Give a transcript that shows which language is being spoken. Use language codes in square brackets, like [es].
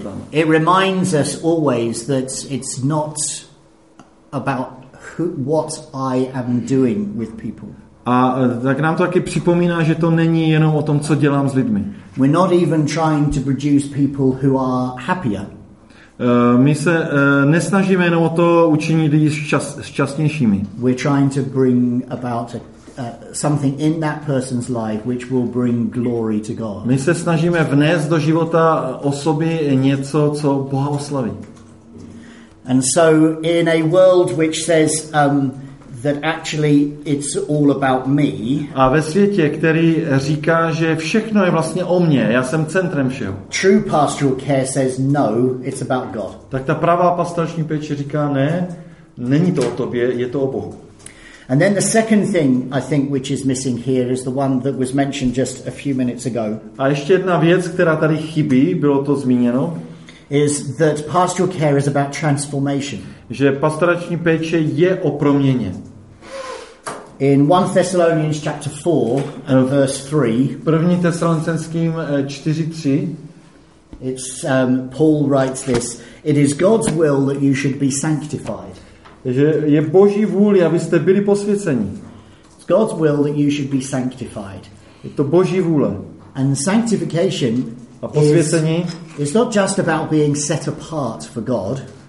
[en] It reminds us always that it's not about who, what I am doing with people. [cs] A tak nám to taky připomíná, že to není jenom o tom, co dělám s lidmi. [en] We're not even trying to produce people who are happier. [cs] My se nesnažíme jenom o to učinit lidi šťastnějšími. [en] We're trying to bring about something in that person's life which will bring glory to God. [cs] My se snažíme vnést do života osoby něco, co Boha oslaví. [en] And so in a world which says that actually it's all about me. [cs] A ve světě, který říká, že všechno je vlastně o mně, já jsem centrem všeho. [en] True pastoral care says no, it's about God. [cs] Tak ta pravá pastorační péče říká ne, není to o tobě, je to o Bohu. [en] And then the second thing I think which is missing here is the one that was mentioned just a few minutes ago. [cs] A ještě jedna věc, která tady chybí, bylo to zmíněno, [en] is that pastoral care is about transformation. [cs] Že pastorační péče je o proměně. [en] In 1 Thessalonians chapter 4 and verse 3. [cs] První Tesalonickým 4:3. [en] It's Paul writes this, it is God's will that you should be sanctified. [cs] Že je Boží vůli, abyste byli posvěceni. [en] It's God's will that you should be sanctified. [cs] Je to Boží vůle. [en] And sanctification, [cs] a posvěcení, [en] is not just about being set apart for God.